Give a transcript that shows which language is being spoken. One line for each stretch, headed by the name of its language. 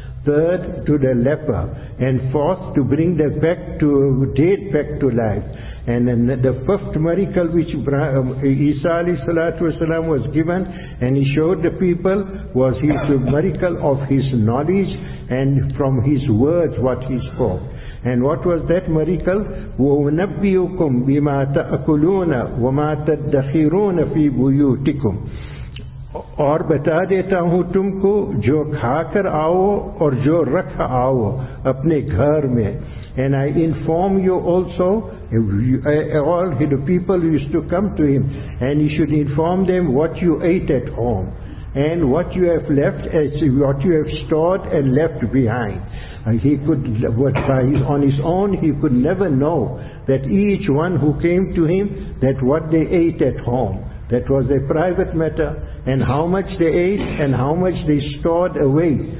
English: Third, to the leper. And fourth, to bring the dead back to life. And then the fifth miracle which Isa alayhi salatu wasalam was given and he showed the people was his miracle of his knowledge and from his words what he spoke. And what was that miracle?
Arabic: وَنَبِّيُكُمْ بِمَا تَأْكُلُونَ وَمَا تَدَّخِرُونَ فِي بُيُوتِكُمْ,
Urdu: اور بتا دیتا ہوں تم کو جو کھا کر آؤ اور جو رکھ آؤ اپنے گھر میں.
English: And I inform you also, all the people used to come to him, and he should inform them what you ate at home, and what you have left, as what you have stored and left behind. He could, on his own, he could never know that each one who came to him, that what they ate at home, that was a private matter, and how much they ate, and how much they stored away.